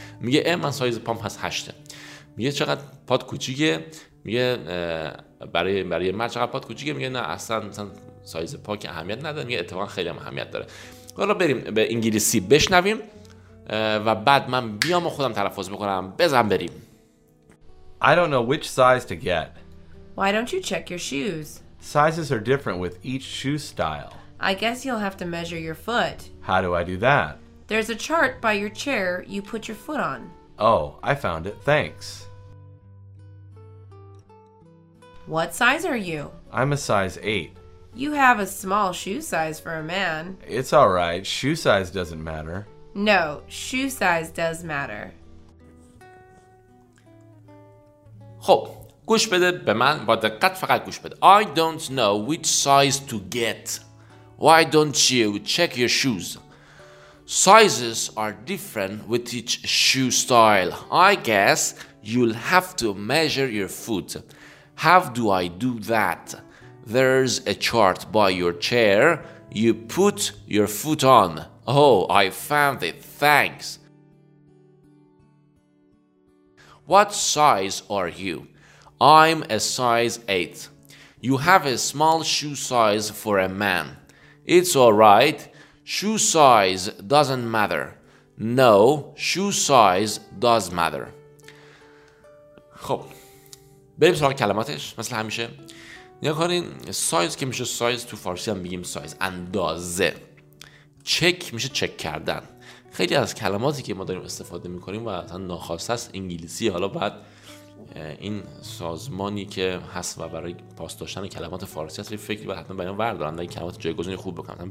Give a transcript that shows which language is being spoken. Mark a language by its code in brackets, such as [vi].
[fa] میگه اه من سایز پام پس 8. میگه چقدر پات کوچیکه؟ میگه برای مرد چقدر پات کوچیکه؟ میگه نه اصلا مثلا سایز پا که اهمیت نداره، میگه اتفاقا خیلی هم اهمیت داره. حالا بریم به انگلیسی بشنویم و بعد من بیام و خودم تلفظ بکنم. بزن بریم. [en] I don't know which size to get. Why don't you check your shoes? Sizes are different with each shoe style. I guess you'll have to measure your foot. How do I do that? There's a chart by your chair you put your foot on. Oh, I found it. Thanks. What size are you? I'm a size 8. You have a small shoe size for a man. It's all right. Shoe size doesn't matter. No, shoe size does matter. [fa] خب گوش بده به من با دقت، فقط گوش بده. [en] I don't know which size to get. Why don't you check your shoes? Sizes are different with each shoe style. I guess you'll have to measure your foot. How do I do that? There's a chart by your chair you put your foot on. Oh, I found it. Thanks. What size are you? I'm a size 8. You have a small shoe size for a man. It's all right. Shoe size doesn't matter. No, shoe size does matter. [fa] خب بریم سراغ کلماتش. مثل همیشه نگاه کنین، سایز که میشه سایز، تو فارسی هم میگیم سایز، اندازه. چک میشه چک کردن. خیلی از کلماتی که ما داریم استفاده میکنیم و اصلا ناخواسته است انگلیسی. حالا بعد این سازمانی که هست و برای پاس داشتن کلمات فارسی هست، فکری باید حتما برای اون بردارن و این کلمات جایگزینی خوب بکنن.